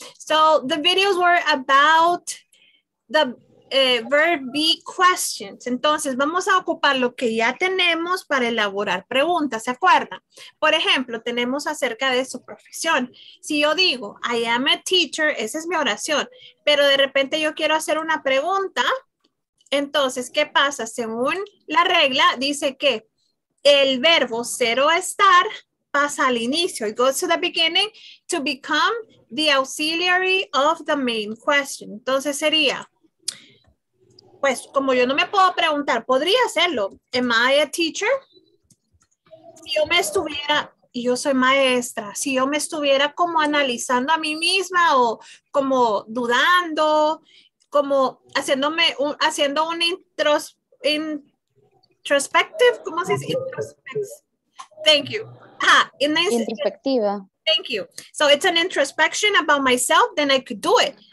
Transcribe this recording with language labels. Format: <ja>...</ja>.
<en>So the videos were about the verb be questions.</en> <es>Entonces vamos a ocupar lo que ya tenemos para elaborar preguntas, ¿se acuerdan? Por ejemplo, tenemos acerca de su profesión. Si yo digo</es> <en>I am a teacher,</en> <es>esa es mi oración, pero de repente yo quiero hacer una pregunta, entonces ¿qué pasa? Según la regla dice que el verbo ser o estar pasa al inicio,</es> <en>it goes to the beginning to become the auxiliary of the main question.</en> <es>Entonces sería, pues como yo no me puedo preguntar, podría hacerlo.</es> <en>Am I a teacher?</en> <es>Si yo me estuviera, y yo soy maestra, si yo me estuviera como analizando a mí misma o como dudando, como haciéndome, haciendo un introspective, ¿cómo se dice?</es> <en>Thank you.</en> <es>Introspectiva.</es> <en>Thank you. So it's an introspection about myself, then I could do it.</en>